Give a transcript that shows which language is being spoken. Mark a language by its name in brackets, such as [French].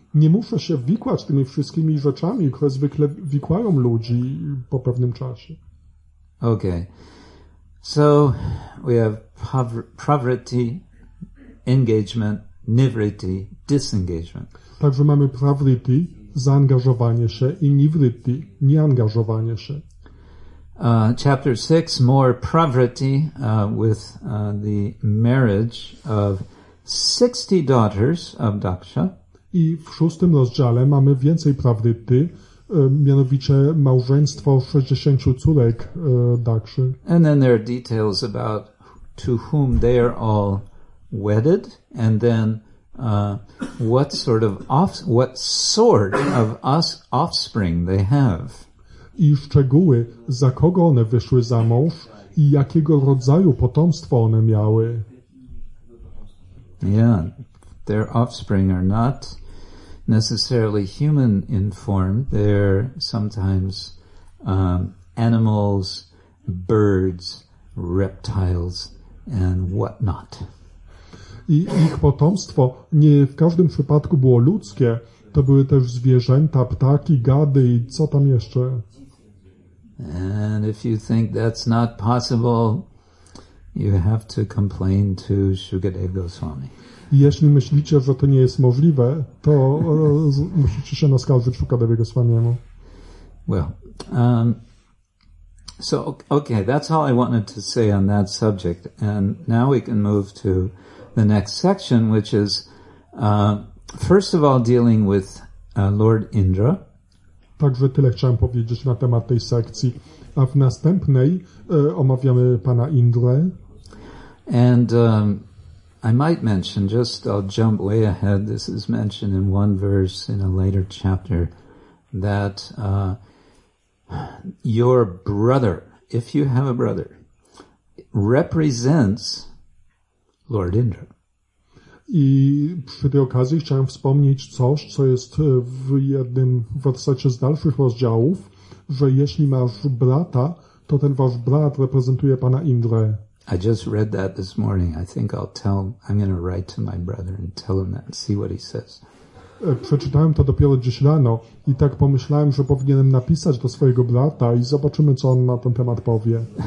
[Polish] Nie muszę się wikłać tymi wszystkimi rzeczami, które zwykle wikłają ludzi po pewnym czasie. [English] Okay. So we have pravritti, engagement, nivritti, disengagement. [Polish] Także mamy pravritti, zaangażowanie się, i nivritti, nieangażowanie się. [English] Chapter 6, more pravritti with the marriage of 60 daughters of Daksha. [Polish] I w szóstym rozdziale mamy więcej prawdy, mianowicie małżeństwo 60 córek Dakszy. [English] And then there are details about to whom they are all wedded, and then what sort of offspring they have. [Polish] I szczegóły, za kogo one wyszły za mąż i jakiego rodzaju potomstwo one miały. [English] Yeah, their offspring are not necessarily human in form. They're sometimes animals, birds, reptiles, and whatnot. [Polish] I ich potomstwo nie w każdym przypadku było ludzkie. To były też zwierzęta, ptaki, gady i co tam jeszcze. [English] And if you think that's not possible, you have to complain to Shukadeva Goswami. [Polish] Jeśli myślicie, że to nie jest możliwe, to musicie się naskarżyć Shukadeva Goswamiemu. [English] Well, so okay, that's all I wanted to say on that subject, and now we can move to the next section, which is first of all dealing with Lord Indra. [Polish] Także tyle chciałem powiedzieć na temat tej sekcji, a w następnej omawiamy pana Indrę. [English] And I might mention, just I'll jump way ahead, this is mentioned in one verse in a later chapter, that your brother, if you have a brother, represents Lord Indra. [Polish] I przy tej okazji chciałem wspomnieć coś, co jest w jednym wersecie z dalszych rozdziałów, że jeśli masz brata, to ten wasz brat reprezentuje pana Indrę. [English] I just read that this morning. I think I'm going to write to my brother and tell him that and see what he says. [Polish] Przeczytałem to dopiero dziś rano i tak pomyślałem, że powinienem napisać do swojego brata i zobaczymy, co on na ten temat powie.